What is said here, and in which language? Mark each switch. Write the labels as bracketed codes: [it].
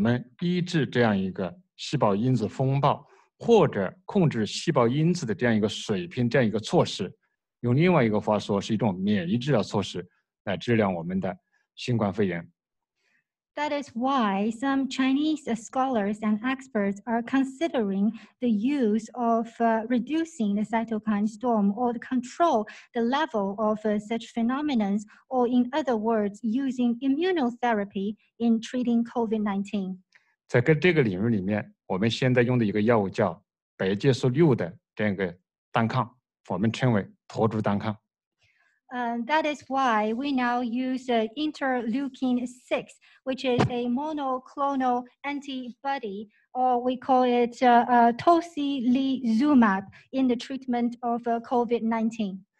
[zh] 因此，我们中国的学者就在思考是否可以使用我们抑制这样一个细胞因子风暴。或者控制细胞因子的这样一个水平，这样一个措施，用另外一个话说，是一种免疫治疗措施来治疗我们的新冠肺炎。 [en] That is why some Chinese scholars and experts are considering the use of reducing the cytokine storm or to control the level of such phenomena, or in other words, using immunotherapy in treating COVID-19. [zh] 在这个领域里面，我们现在用的一个药物叫。白介素6的这个单抗，我们称为驼足单抗。 [en] That is why we now use interleukin 6, which is a monoclonal antibody, or we call it tocilizumab in the treatment of COVID-19.